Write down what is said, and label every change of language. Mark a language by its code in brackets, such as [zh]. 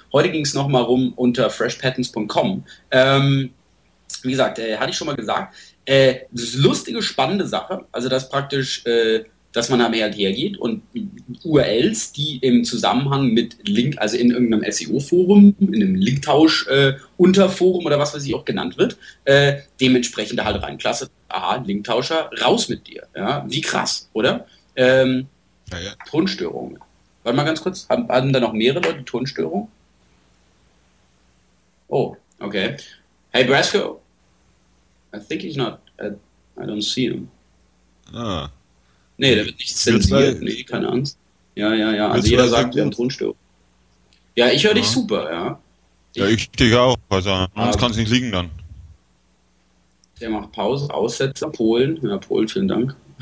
[de] Heute ging es nochmal rum unter freshpatents.com. Wie gesagt, hatte ich schon mal gesagt, lustige, spannende Sache, also dass praktisch, dass man da mehr halt hergeht und URLs, die im Zusammenhang mit Link, also in irgendeinem SEO-Forum, in einem Linktausch-Unterforum oder was weiß ich auch genannt wird, dementsprechend da halt rein. Klasse, aha, Linktauscher, raus mit dir. Ja, wie krass, oder? Ja. Tonstörungen. Warte mal ganz kurz, haben da noch mehrere Leute Tonstörungen? Oh, okay. [en] Hey, Brasco, I think he's not, I don't see him. Ah. [de] Nee, der wird nicht zensiert, nee, keine Angst. Ja, also jeder sagt, wir haben Tonstörung. Ja, ich höre dich super, ja. Ich dich auch, also sonst kann es nicht liegen dann. Der macht Pause, Aussetzer, Polen, ja, Polen, vielen Dank.